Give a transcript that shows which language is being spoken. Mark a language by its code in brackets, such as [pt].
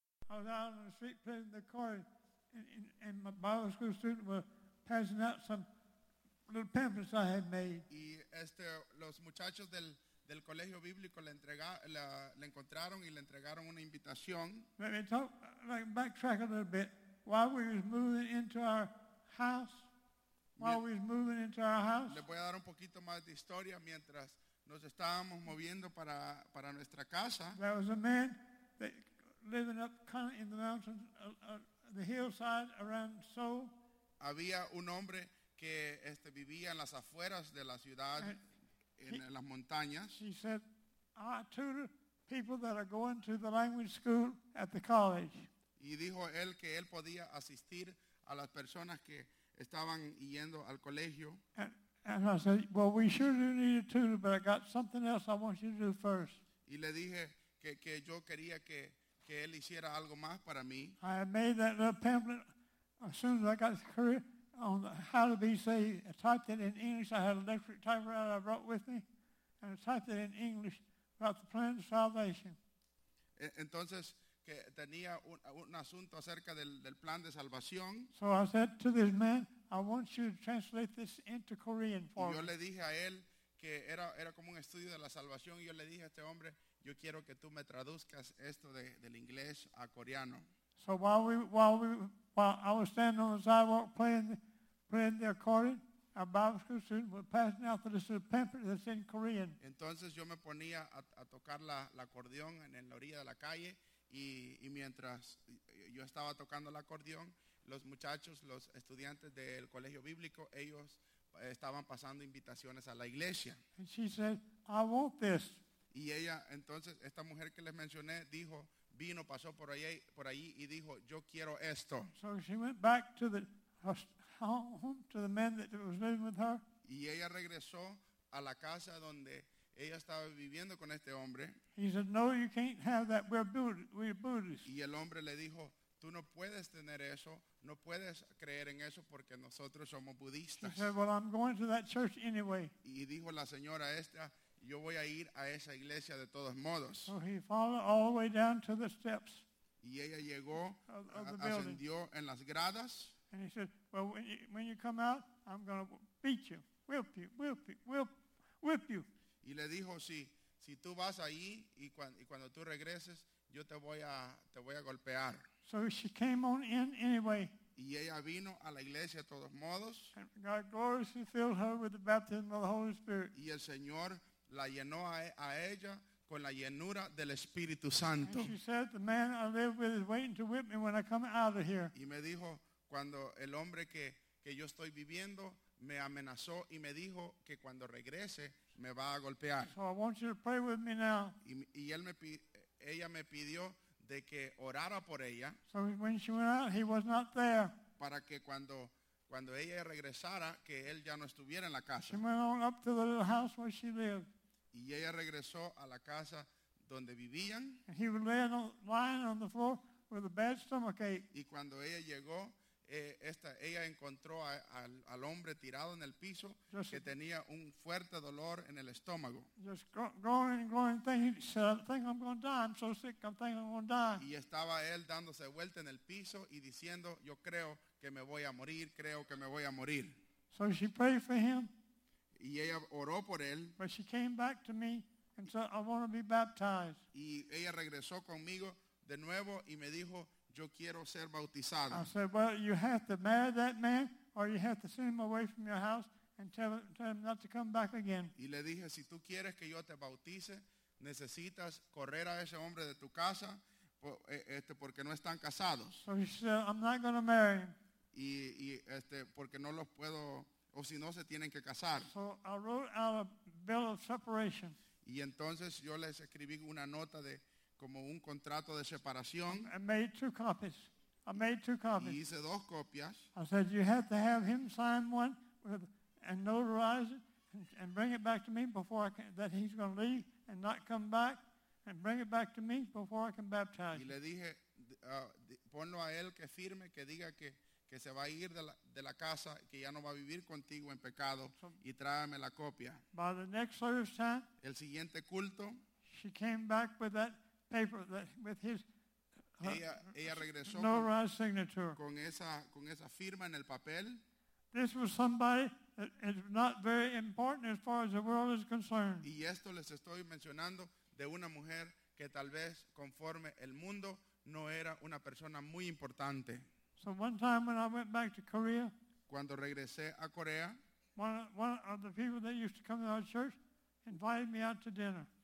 [en] I was out on the street playing the accordion, and my Bible school students were passing out some little pamphlets I had made. [es] Y los muchachos del colegio bíblico le encontraron y le entregaron una invitación. [en] Let me talk, like backtrack a little bit. While we was moving into our house, [es] Le voy a dar un poquito más de historia mientras nos estábamos moviendo para nuestra casa. [en] There was a man that living up kind of in the mountains, the hillside around Seoul. [es] Había un hombre que vivía en las afueras de la ciudad, en las montañas. [en] He said, "I tutor people that are going to the language school at the college." [es] Y dijo él que él podía asistir a las personas que estaban yendo al colegio. [en] And I said, "Well, we sure do need a tutor, but I got something else I want you to do first." [es] Y le dije que yo quería que él hiciera algo más para mí. [en] I made that little pamphlet as soon as I got to Korea on how to be saved. I typed it in English. I had an electric typewriter I brought with me, and I typed it in English about the plan of salvation. [es] Entonces, que tenía un asunto acerca del plan de salvación. [en] So I said to this man, "I want you to translate this into Korean for me." [es] Yo le dije a él que era como un estudio de la salvación, y yo le dije a este hombre, yo quiero que tú me traduzcas esto del inglés a coreano. [en] So while I was standing on the sidewalk playing the accordion, our Bible school student was passing out this little pamphlet that's in Korean. [es] Entonces yo me ponía a tocar la acordeón en la orilla de la calle, y mientras yo estaba tocando la acordeón, los muchachos, los estudiantes del colegio bíblico, ellos estaban pasando invitaciones a la iglesia. [en] And she said, "I want this." [es] Y ella, entonces, esta mujer que les mencioné, dijo, vino, pasó por allí y dijo, yo quiero esto. [en] So she went back to the home, to the man that was living with her. [es] Y ella regresó a la casa donde ella estaba viviendo con este hombre. [en] He said, "No, you can't have that. We're Buddhists." [es] Y el hombre le dijo, tú no puedes tener eso, no puedes creer en eso porque nosotros somos budistas. [en] She said, "Well, I'm going to that church anyway." [es] Y dijo la señora esta, yo voy a ir a esa iglesia de todos modos. [en] So he followed all the way down to the steps. [es] Y ella llegó, ascendió en las gradas. [en] And he said, "Well, when you come out, I'm going to beat you, whip you. [es] Y le dijo, si tú vas ahí y cuando tú regreses, yo te voy a golpear. [en] So she came on in anyway. [es] Y ella vino a la iglesia de todos modos. [en] And God gloriously filled her with the baptism of the Holy Spirit. [es] Y el Señor la llenó a ella con la llenura del Espíritu Santo. [en] And she said, "The man I live with is waiting to whip me when I come out of here." [es] Y me dijo, cuando el hombre que yo estoy viviendo me amenazó y me dijo que cuando regrese me va a golpear. [en] So I want you to pray with me now. [es] Ella me pidió de que orara por ella. [en] So when she went out, he was not there. [es] Para que cuando ella regresara, que él ya no estuviera en la casa. [en] She went on up to the little house where she lived. [es] Y ella regresó a la casa donde vivían. [en] And he was lying on the floor with a bad stomachache. [es] Y cuando ella llegó, ella encontró al hombre tirado en el piso, [en] just, [es] que tenía un fuerte dolor en el estómago. [en] Just going and going, thinking, "I think I'm going to die, I'm so sick, I think I'm going to die." [es] Y estaba él dándose vuelta en el piso y diciendo, yo creo que me voy a morir, creo que me voy a morir. [en] So she prayed for him. [es] Y ella oró por él. [en] But she came back to me and said, "I want to be baptized." [es] Y ella regresó conmigo de nuevo y me dijo, yo quiero ser bautizada. [en] I said, "Well, you have to marry that man or you have to send him away from your house And tell him not to come back again. [es] Y le dije, si tú quieres que yo te bautice, necesitas correr a ese hombre de tu casa, porque no están casados. [en] So he said, I'm not going to marry him. [es] Y porque no los puedo, o si no se tienen que casar. [en] So I wrote out a bill of separation. [es] Y entonces yo les escribí una nota de como un contrato de separación. [en] I made two copies. [es] Y hice dos copias. [en] I said, you have to have him sign one with and notarize it and bring it back to me before I can, that he's going to leave and not come back, and bring it back to me before I can baptize. [es] Y le dije, ponlo a él que firme, que diga que se va a ir de la casa, que ya no va a vivir contigo en pecado, [en] so, [es] y tráeme la copia. [en] By the next service time, [es] el siguiente culto, [en] she came back with that paper, that, with his [es] ella regresó [en] notarized signature. [es] Con esa firma en el papel. [en] This was somebody that is not very important as far as the world is concerned. [es] Y esto les estoy mencionando de una mujer que tal vez conforme el mundo no era una persona muy importante. [en] So one time when I went back to Korea, [es] cuando regresé a Corea, [en] one of the people that used to come to our church invited me out to dinner.